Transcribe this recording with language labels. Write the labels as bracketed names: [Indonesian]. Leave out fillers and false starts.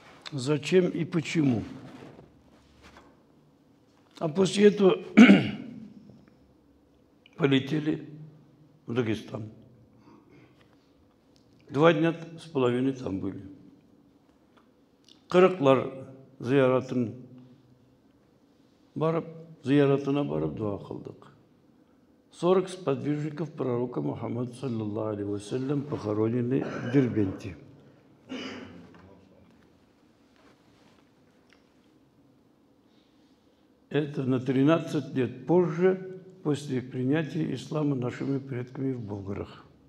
[Russian] Зачем и почему? А после этого полетели в Дагестан. Два дня с половиной там были. [Tatar] Кырыклар зияратын барып, зияратына барып дуа кылдык. [Russian] 40 сподвижников пророка Мухаммад [Arabic] саллиллаху алейхи вассалям [Russian] похоронены в Дербенте. Это на 13 лет позже, после принятия ислама нашими предками в Болгарах.